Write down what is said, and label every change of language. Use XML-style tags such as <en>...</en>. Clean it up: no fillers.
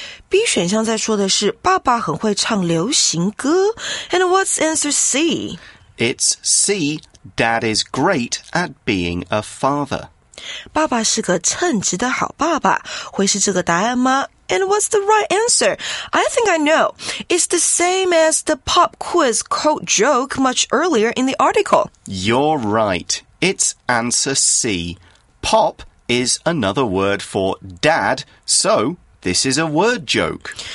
<zh>B 选项在说的是爸爸很会唱流行歌。</zh> <en>And what's answer C? It's C, Dad is great at being a father.</en> <zh>爸爸是个称职的好爸爸。会是这个答案吗?</zh> <en>And what's the right answer? I think I know. It's the same as the pop quiz quote joke much earlier in the article. You're right. It's answer C. Pop is another word for dad, so this is a word joke.</en>